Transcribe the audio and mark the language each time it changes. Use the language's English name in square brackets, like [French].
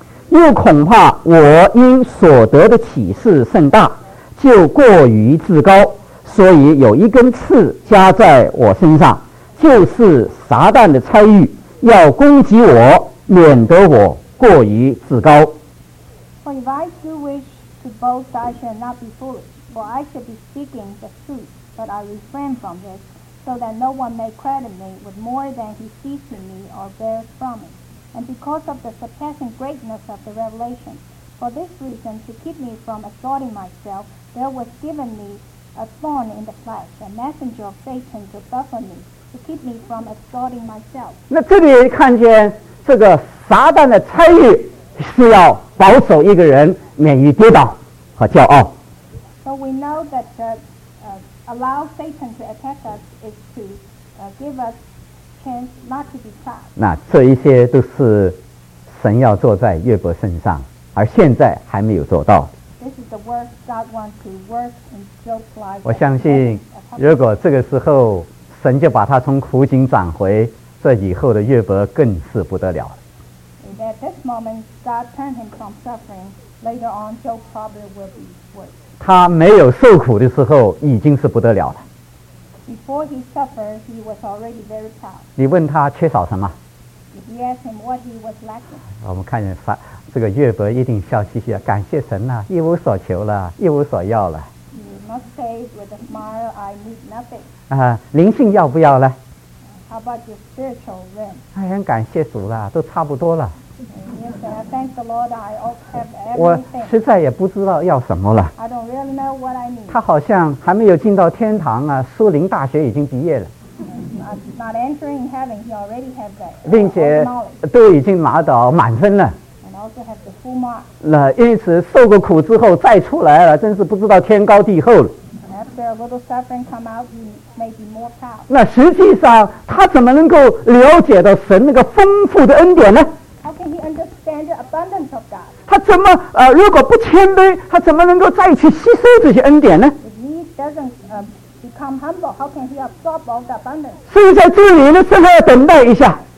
[Chinese] 又恐怕我因所得的启示甚大，就过于自高，所以有一根刺加在我身上，就是撒旦的差谕，要攻击我，免得我过于自高。 [English] For if I do wish to boast, I shall not be foolish, for I should be speaking the truth, but I refrain from this, so that no one may credit me with more than he sees in me or bears from me. and because of the surpassing greatness of the revelation. For this reason, to keep me from exalting myself, there was given me a thorn in the flesh, a messenger of Satan to buffet me, to keep me from exalting myself. [Chinese] 那这里看见这个撒旦的参与是要保守一个人免于跌倒和骄傲。 [English] So we know that allow Satan to attack us is to give us chance not to be proud. [Chinese] 那这一些都是神要做在约伯身上，而现在还没有做到。 [English] This is the work God wants to work in Job's life. [Chinese] 我相信，如果这个时候神就把他从苦境转回，这以后的约伯更是不得了。 [English] And at this moment, God turned him from suffering. Later on, Job probably will be worse. [Chinese] 他没有受苦的时候已经是不得了了。 [English] Before he suffered, he was already very proud. [Chinese] 你问他缺少什么？ [English] If you ask him what he was lacking. [Chinese] 我们看见这个约伯一定笑嘻嘻，感谢神呐、啊，一无所求了，一无所要了。 [English] You must say with a smile, I need nothing. [Chinese] 啊，灵性要不要呢？ [English] How about your spiritual realm? [Chinese] 哎呀，感谢主了，都差不多了。 [English] Yes, I thank the Lord. I have everything. [Chinese] 我实在也不知道要什么了。 [English] I don't really know what I need. [Chinese] 他好像还没有进到天堂啊，苏宁大学已经毕业了。 [English] Not entering heaven, he already has that. [Chinese] 并且都已经拿到满分了。 [English] And also have the full mark. [Chinese] 那因此受过苦之后再出来了，真是不知道天高地厚了。 [English] After a little suffering come out, you may be more proud. [Chinese] 那实际上他怎么能够了解到神那个丰富的恩典呢？ [English] How can he understand the abundance of God? [Chinese] 他怎么如果不谦卑，他怎么能够再去吸收这些恩典呢？ [English] If he doesn't become humble, how can he absorb all the abundance? [Chinese] 所以在这里呢，这个要等待一下。